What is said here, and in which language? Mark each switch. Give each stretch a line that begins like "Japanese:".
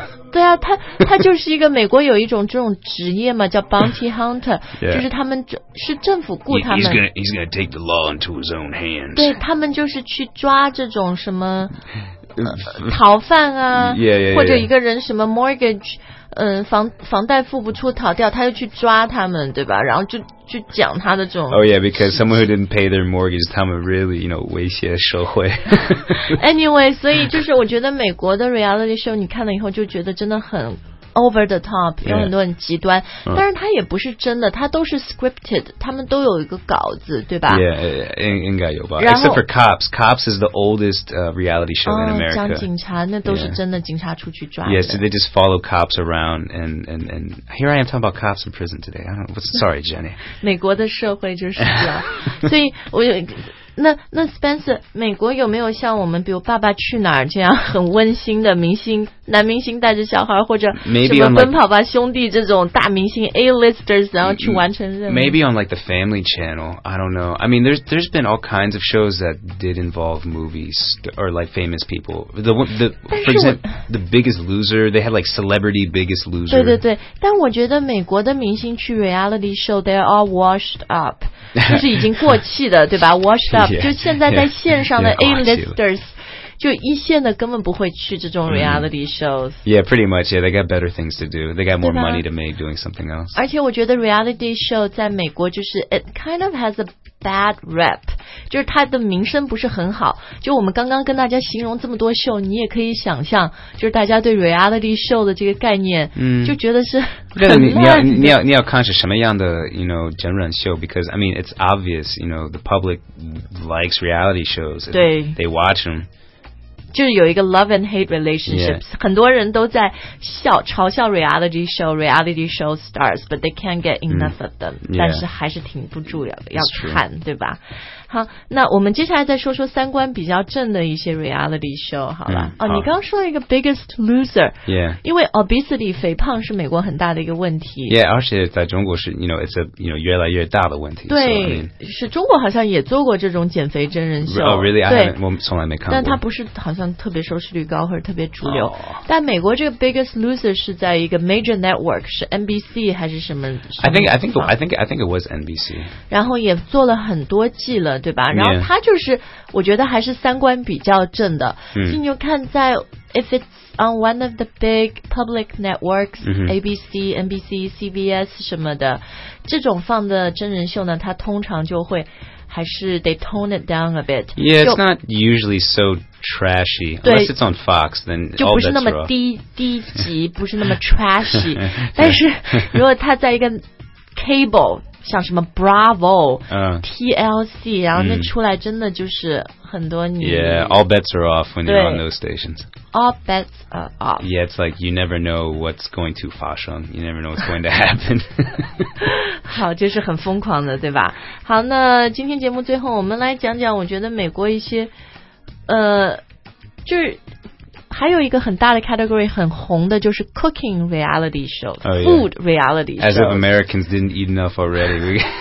Chinese: 对啊，他就是一个美国有一种这种职业嘛，叫
English: bounty hunter，
Chinese: 就是他们是政府雇他们。
English: He's gonna take the law into his own hands。
Chinese: 对，他们就是去抓这种什么、逃犯啊，
English: yeah.
Chinese: 或者一个人什么 mortgage， 房贷付不出逃掉，他就去抓他们，对吧？然后就讲他的这种。
English: Oh yeah, because someone who didn't pay their mortgage，
Chinese: 他们
English: really you know
Chinese: 威胁社会。 Anyway， 所以就是我觉得美国的 reality show 你看了以后就觉得真的很
English: over the top，
Chinese: 有很多很极端，
English: yeah.
Chinese: 但是它也不是真的，它都是 scripted， 他们都有一个稿子，对吧
English: ？Yeah，
Chinese: 应该有吧。
English: Except for cops， cops is the oldest reality show in America。
Chinese: 讲警察那都是真的，警察出去抓的。
English: Yes,、yeah, so、they just follow cops around and here I am talking about cops in prison today. I'm sorry, Jenny.
Chinese: 美国的社会就是这样，所以我有一个。那 Spencer， 美国有没有像我们比如爸爸去哪儿这样很温馨的明星，男明星带着小孩或者什么奔跑吧兄弟这种大明星 A-listers 然后去完成任务？
English: Maybe on like the family channel, I don't know. I mean, there's been all kinds of shows that did involve movies or like famous people. For example, The Biggest Loser, they had like celebrity Biggest Loser.
Chinese: 对对对，但我觉得美国的明星去 reality show,
English: they're all washed up.
Chinese: 就是已经过气的对吧
English: washed up Yeah,
Chinese: 就现在在线上的 A-listers
English: yeah,
Chinese: 就一线的根本不会去这种 reality shows、 mm.
English: Yeah, pretty much, yeah, they got better things to do. They got more money to make doing something else.
Chinese: 而且我觉得 reality show 在美国就是
English: It kind of has a bad rep
Chinese: 就是它的名声不是很好，就我们刚刚跟大家形容这么多秀，你也可以想象就是大家对 reality show 的这个概念、 mm. 就觉得是对你要看是什么样的
English: you know
Chinese: 真人秀
English: because I mean it's obvious you know the public likes reality shows and
Chinese: 对
English: they watch them
Chinese: 就是有一个
English: love and hate relationships、 yeah.
Chinese: 很多人都在笑嘲笑
English: reality show stars but they can't get enough、mm. of them、 yeah.
Chinese: 但是还是挺不住要看、
English: true.
Chinese: 对吧好那我们接下来再说说三观比较正的一些 reality show 好吧、嗯、好哦，你刚刚说了一个 biggest loser、
English: yeah.
Chinese: 因为 obesity 肥胖是美国很大的一个问题 yeah 而且在中国是
English: you know it's a you know
Chinese: 越来越大的问题对、
English: so, I mean,
Chinese: 是中国好像也做过这种减肥真人秀
English: oh really
Chinese: 我从来没看过但它不是好像特别收视率高或者特别主流、 oh. 但美国这个 biggest loser 是在一个
English: major network
Chinese: 是 NBC 还是什 么, 什么
English: I think it was NBC
Chinese: 然后也做了很多季了对吧然后他就是、
English: yeah.
Chinese: 我觉得还是三观比较正的、 mm. 所以你就看在
English: if it's on one of the big public networks、 mm-hmm.
Chinese: ABC, NBC, CBS 什么的这种放的真人秀呢他通常就会还是
English: they tone it down a bit yeah it's not usually so trashy unless it's on Fox then
Chinese: 就不是那么低级不是那么 trashy 但是如果他在一个 cable像什么 Bravo、TLC 然后那出来真的就是很多你
English: Yeah, all bets are off when you're on those stations All bets are off Yeah, it's like you never know what's going to
Chinese: 发生
English: You never know what's going to happen
Chinese: 好就是很疯狂的对吧好那今天节目最后我们来讲讲我觉得美国一些就是还有一个很大的 category 很红的就是 cooking reality show、
English: oh, yeah. food reality show as if Americans didn't eat enough already